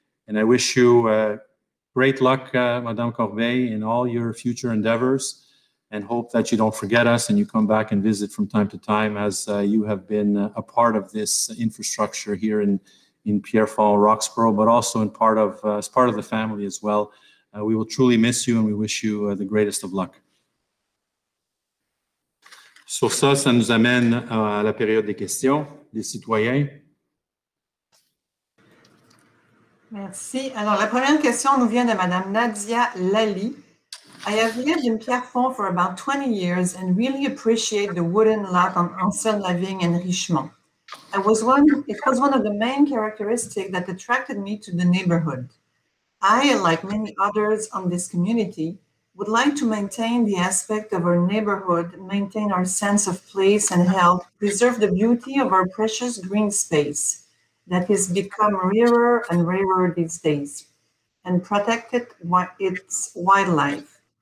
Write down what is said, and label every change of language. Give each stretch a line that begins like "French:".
English: And I wish you great luck, Madame Corbeil, in all your future endeavors, and hope that you don't forget us and you come back and visit from time to time, as you have been a part of this infrastructure here in Pierre-Fond-Roxborough, but also in part of as part of the family as well. We will truly miss you, and we wish you the greatest of luck.
French: Sur ça, ça nous amène à la période des questions des citoyens. Merci. Alors, la première question nous vient de Madame Nadia Lally.
English: I have lived in Pierrefonds for about 20 years and really appreciate the wooden lot on Anselme-Lavigne and Richemont. It was one of the main characteristics that attracted me to the neighborhood. I, like many others on this community, would like to maintain the aspect of our neighborhood, maintain our sense of place and health, preserve the beauty of our precious green space that has become rarer and rarer these days, and protect its wildlife.